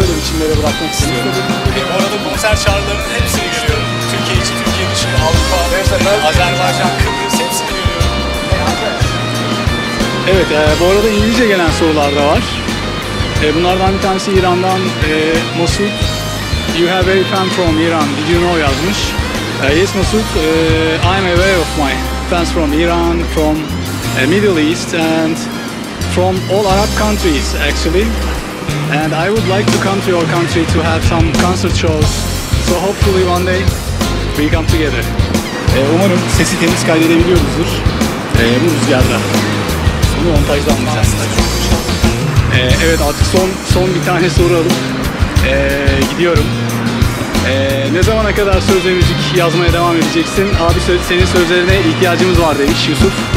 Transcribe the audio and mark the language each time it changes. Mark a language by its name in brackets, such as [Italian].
[Turkish] bundan şöyle biçimlere bırakmak istiyorum. Bu arada konser çağrılarının hepsini görüyorum. Türkiye için, Türkiye dışı, Avrupa, mesela, Azerbaycan, Kıbrıs hepsini görüyorum. Evet, bu arada İngilizce gelen sorular da var. Bunlardan bir tanesi İran'dan Masud. [English] You have a fan from Iran, did you know [Turkish] yazmış. [English] Yes, Masud, I'm aware of my fans from Iran, from Middle East and from all Arab countries actually. And I would like to come to your country to have some concert shows. So hopefully one day we come together. [Turkish] Umarım sesi temiz kaydedebiliyoruzdur. Bu rüzgarda. Bunu montajdan alacağız. Evet, artık son bir tane soru alıp gidiyorum. Ne zamana kadar söz ve müzik yazmaya devam edeceksin? Abi senin sözlerine ihtiyacımız var demiş Yusuf.